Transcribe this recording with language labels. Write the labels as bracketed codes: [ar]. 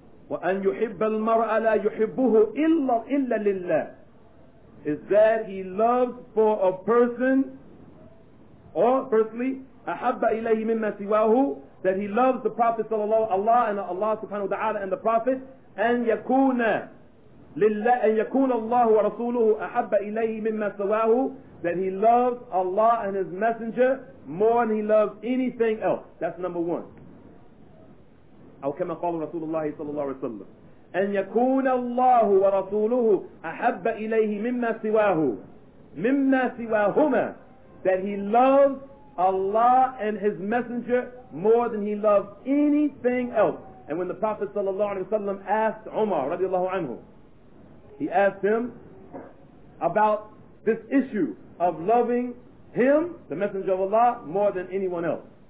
[ar] وَأَنْ يُحِبَّ الْمَرْأَ لَا يُحِبُّهُ إِلَّا لِلَّهِ [en] is that he loves for a person, or firstly, [ar] أَحَبَّ إِلَيْهِ مِمَّا سِوَاهُ, [en] that he loves the Prophet sallallahu alayhi wa sallam, Allah subhanahu wa ta'ala and the Prophet, [ar] أَنْ يَكُونَ لِلَّهِ أَنْ يَكُونَ اللَّهُ وَرَسُولُهُ أَحَبَّ إِلَيْهِ مِمَّا سِوَاهُ, [en] that he loves Allah and his messenger more than he loves anything else. That's number one. [ar] أو كما قال رسول الله صلى الله عليه وسلم أن يكون الله ورسوله أحب إليه مما سواه مما سواهما, [en] that he loves Allah and his messenger more than he loves anything else. And when the Prophet صلى الله عليه وسلم asked Umar رضي الله عنه, he asked him about this issue of loving him, the messenger of Allah, more than anyone else.